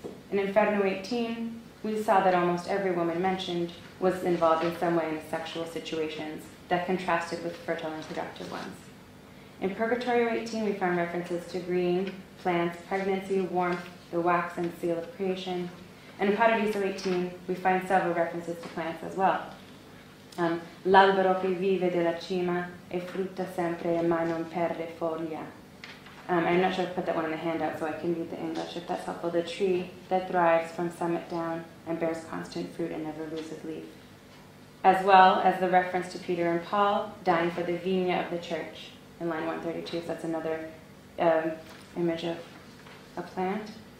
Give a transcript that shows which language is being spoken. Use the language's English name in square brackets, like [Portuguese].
[English] In Inferno 18, we saw that almost every woman mentioned was involved in some way in sexual situations that contrasted with fertile and productive ones. In Purgatorio 18, we find references to green, plants, pregnancy, warmth, the wax and seal of creation. And in Paradiso 18, we find several references to plants as well. [Italian] L'albero che vive della cima e frutta sempre e mai non perde foglia. [English] I'm not sure if I put that one in the handout, so I can read the English if that's helpful. The tree that thrives from summit down and bears constant fruit and never loses leaf. As well as the reference to Peter and Paul dying for the vigna of the church in line 132, so that's another image of a plant.